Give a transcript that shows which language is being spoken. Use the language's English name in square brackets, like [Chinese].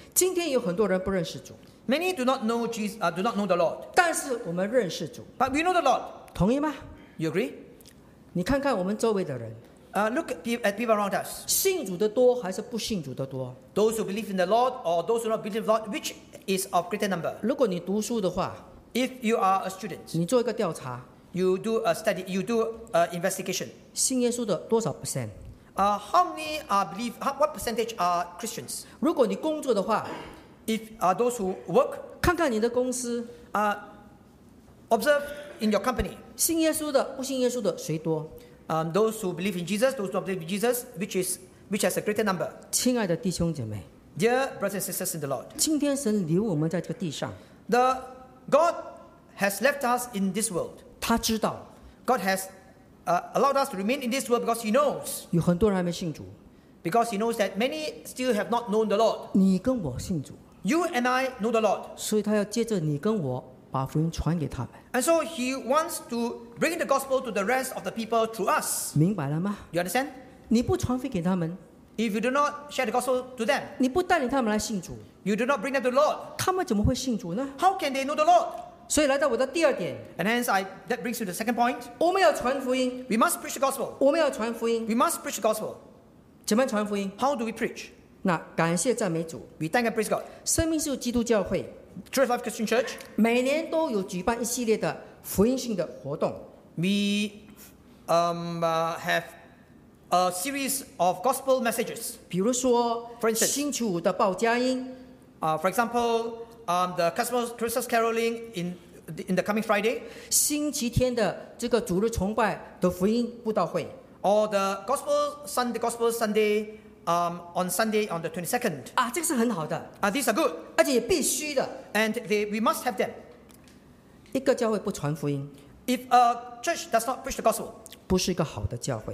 [Chinese] 今天有很多人不认识主。 [English] Many do not know Jesus. Do not know the Lord. [Chinese] 但是我们认识主。 [English] But we know the Lord. [Chinese] 同意吗 [English] ？You agree? [Chinese] 你看看我们周围的人。 [English] Look at people around us. [Chinese] 信主的多还是不信主的多 [English] ？Those who believe in the Lord or those who do not believe in the Lord, which is of greater number? [Chinese] 如果你读书的话 [English] ，If you are a student, [Chinese] 你做一个调查。 [English] You do a study. You do a investigation. [Chinese] 信耶稣的多少 percent? [English] How many are believe? What percentage are Christians? [Chinese] 如果你工作的话 [English] ，if those who work, [Chinese] 看看你的公司 [English] observe in your company. [Chinese] 信耶稣的不信耶稣的谁多 [English] ？Those who believe in Jesus, those who don't believe in Jesus, which has a greater number. [Chinese] 亲爱的弟兄姐妹 [English] ，Dear brothers and sisters in the Lord, [Chinese] 今天神留我们在这个地上 [English] ，The God has left us in this world. [Chinese] 他知道。 [English] God has allowed us to remain in this world because He knows. [Chinese] 有很多人还没信主。 [English] Because He knows that many still have not known the Lord. [Chinese] 你跟我信主。 [English] You and I know the Lord. [Chinese] 所以他要借着你跟我把福音传给他们。 [English] And so He wants to bring the gospel to the rest of the people through us. [Chinese] 明白了吗？ [English] You understand? [Chinese] 你不传福音给他们。 [English] If you do not share the gospel to them, [Chinese] 你不带领他们来信主， [English] you do not bring them to the Lord. [Chinese] 他们怎么会信主呢？ [English] How can they know the Lord? [Chinese] 所以来到我的第二点。 [English] And hence, that brings you to the second point. [Chinese] 我们要传福音。 [English] We must preach the gospel. [Chinese] 我们要传福音。 [English] We must preach the gospel. [Chinese] 怎么传福音？ [English] How do we preach? [Chinese] 那感谢赞美主。 [English] We thank and praise God. [Chinese] 生命树基督教会。 [English] True Life Christian Church. [Chinese] 每年都有举办一系列的福音性的活动。 [English] We have a series of gospel messages. [Chinese] 比如说 [English] for instance, [Chinese] 星期五的报佳音。 [English] For example, the Christmas caroling in the coming Friday. [Chinese] 星期天的这个主日崇拜的福音布道会。 [English] Or the Gospel Sunday, on Sunday on the 22nd. [Chinese] 啊，这个是很好的。 [English] These are good. [Chinese] 而且也必须的。 [English] And we must have them. [Chinese] 一个教会不传福音。 [English] If a church does not preach the gospel. [Chinese] 不是一个好的教会。